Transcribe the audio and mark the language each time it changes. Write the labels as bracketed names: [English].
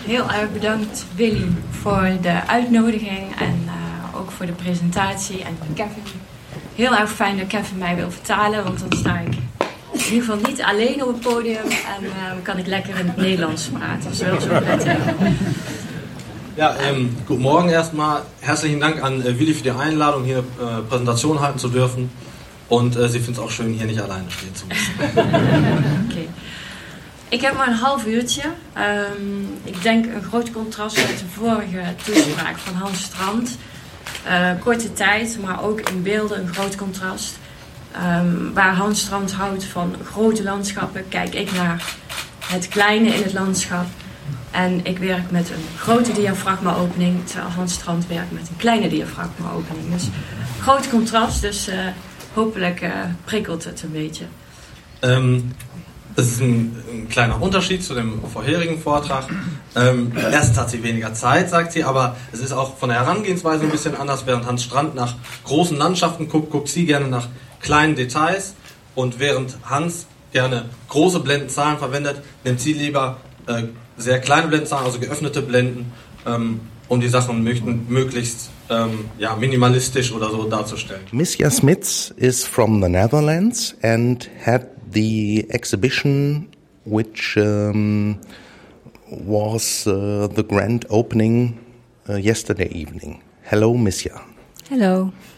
[Dutch] Heel erg bedankt Willy voor de uitnodiging en ook voor de presentatie. En Kevin, heel erg fijn dat Kevin mij wil vertalen, want dan sta ik in ieder geval niet alleen op het podium en kan ik lekker in het Nederlands praten. Dat is wel zo prettig. [German] Ja, guten Morgen erstmal. Herzlichen Dank an Willy für die Einladung, hier Präsentation halten zu dürfen. Und sie [Dutch] vindt het ook [German] schön, hier [Dutch] niet [German] alleine stehen zu müssen. Okay. [Dutch] Ik heb maar een half uurtje. Ik denk een groot contrast met de vorige toespraak van Hans Strand. Korte tijd, maar ook in beelden een groot contrast. Waar Hans Strand houdt van grote landschappen, kijk ik naar het kleine in het landschap. En ik werk met een grote diafragma-opening, terwijl Hans Strand werkt met een kleine diafragma-opening. Dus groot contrast, dus hopelijk prikkelt het een beetje. [German] Das ist ein kleiner Unterschied zu dem vorherigen Vortrag. Erstens hat sie weniger Zeit, sagt sie, aber es ist auch von der Herangehensweise ein bisschen anders. Während Hans Strand nach großen Landschaften guckt, guckt sie gerne nach kleinen Details. Und während Hans gerne große Blendenzahlen verwendet, nimmt sie lieber sehr kleine Blendenzahlen, also geöffnete Blenden, um die Sachen möglichst ja, minimalistisch oder so darzustellen. [English] Mischa Smits is from the Netherlands and had the exhibition, which was the grand opening yesterday evening. Hello, Mischa. Hello.